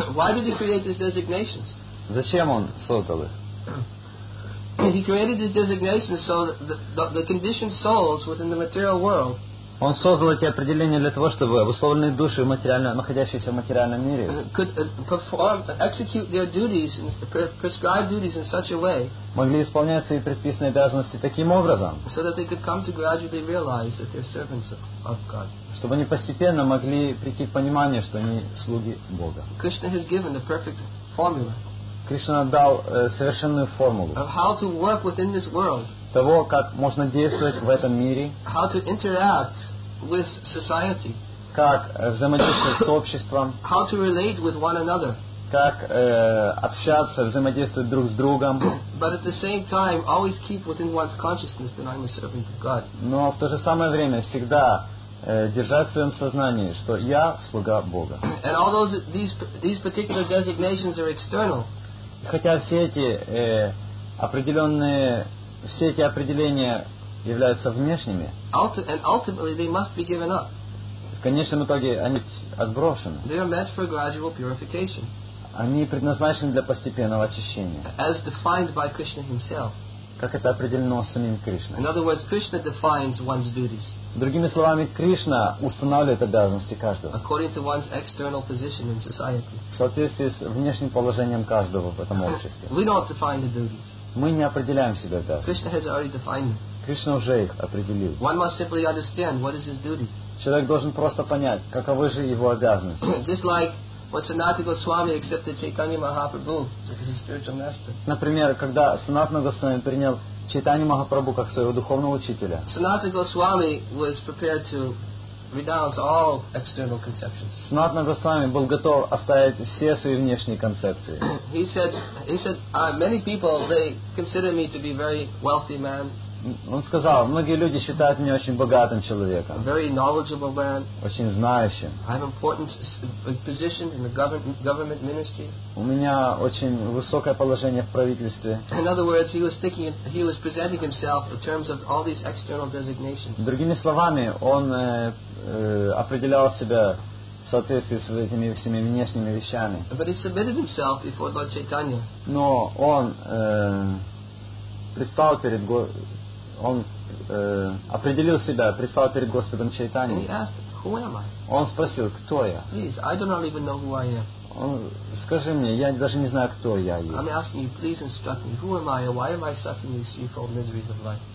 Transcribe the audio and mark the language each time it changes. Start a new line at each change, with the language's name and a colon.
English: Why did He create these designations?
Russian: Зачем Он создал их?
English: He created these designations so that the conditioned souls within the material world.
Russian: Он создал эти определения для того, чтобы обусловленные души, материально находящиеся в материальном мире,
English: could perform, execute their duties, prescribed duties in such a way.
Russian: Могли исполнять свои предписанные обязанности таким образом.
English: So that they could come to gradually realize that they're servants of God.
Russian: Чтобы они постепенно могли прийти к пониманию, что они слуги Бога.
English: Krishna has given the perfect formula.
Russian: Кришна дал совершенную формулу
English: of how to work within this world,
Russian: того, как можно действовать в этом мире,
English: how to interact with society,
Russian: как взаимодействовать с обществом,
English: how to relate with one another,
Russian: как общаться, взаимодействовать друг с другом,
English: but at the same time always keep within one's consciousness that I'm a servant of God.
Russian: Но в то же самое время всегда держать в своем сознании, что я слуга Бога.
English: And all these particular designations are external.
Russian: Хотя все эти определения являются внешними,
English: and ultimately they must be given up.
Russian: В конечном итоге они отброшены.
English: They are meant for gradual purification.
Russian: Они предназначены для постепенного очищения.
English: As defined by Krishna himself.
Russian: Как это определено самим Кришной.
English: In other words, Krishna defines one's duties.
Russian: Другими словами, Кришна устанавливает обязанности каждого.
English: According to one's external position in society.
Russian: В соответствии с внешним положением каждого в этом обществе.
English: We don't define the duties.
Russian: Мы не определяем себя обязанностями.
English: Krishna has already defined them.
Russian: Кришна уже их определил.
English: One must simply understand what is his duty.
Russian: Человек должен просто понять, каковы же его обязанности.
English: Just like what Sanatana Goswami accepted Chaitanya Mahaprabhu as his spiritual master.
Russian: Например, когда Санатана Госвами принял Чайтанья Махапрабху как своего духовного учителя.
English: Sanatana Goswami was prepared to renounce all external conceptions.
Russian: Санатана Госвами был готов оставить все свои внешние концепции.
English: He said, many people they consider me to be a very wealthy man.
Russian: Он сказал, многие люди считают меня очень богатым человеком.
English: Very knowledgeable man.
Russian: Очень знающим.
English: I have important position in the government ministry.
Russian: У меня очень высокое положение в правительстве.
English: In other words, he was presenting himself in terms of all these external designations.
Russian: Другими словами, он определял себя в соответствии с этими всеми внешними вещами.
English: But he submitted himself before Lord Chaitanya.
Russian: Но он предстал перед Он определил себя, предстал перед Господом Чайтаньей. Он спросил, кто я?
English: Please, I do not even know who I am.
Russian: Он, скажи мне, я даже не знаю, кто я есть.
English: I'm asking you, please instruct me. Who am I? Why am I suffering these threefold miseries of life?